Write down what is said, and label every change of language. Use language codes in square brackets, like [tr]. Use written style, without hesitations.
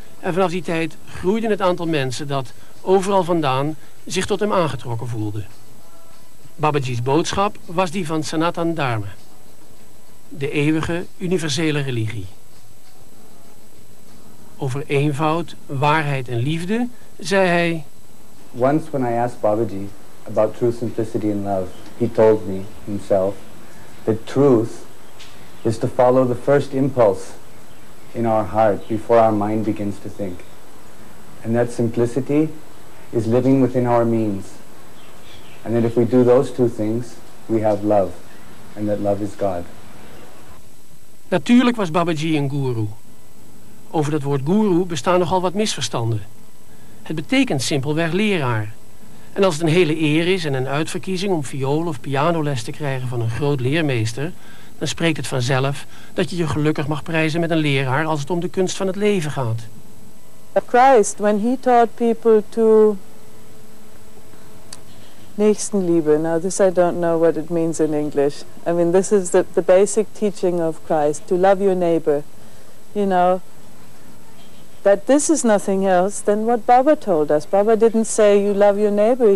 [nl] En vanaf die tijd groeide het aantal mensen dat, overal vandaan, zich tot hem aangetrokken voelde. Babaji's boodschap was die van Sanatan Dharma. De eeuwige, universele religie. Over eenvoud, waarheid en liefde, zei hij... [en] Once when I asked Babaji about true simplicity and love, he told me himself that truth is to follow the first impulse in our heart before our mind begins to think. And that simplicity is living within our means. And that if we do those two things, we have love. And that love is God. [nl] Natuurlijk was Babaji een guru. Over dat woord guru bestaan nogal wat misverstanden. Het betekent simpelweg leraar. En als het een hele eer is en een uitverkiezing om viool of pianoles te krijgen van een groot leermeester, dan spreekt het vanzelf dat je je gelukkig mag prijzen met een leraar als het om de kunst van het leven gaat. [en] Christ, when he taught people to Nächstenliebe, now this I don't know what it means in English. I mean, this is the basic teaching of Christ, to love your neighbor, you know. That this is nothing else than what Baba told us. Baba didn't say you love your neighbor.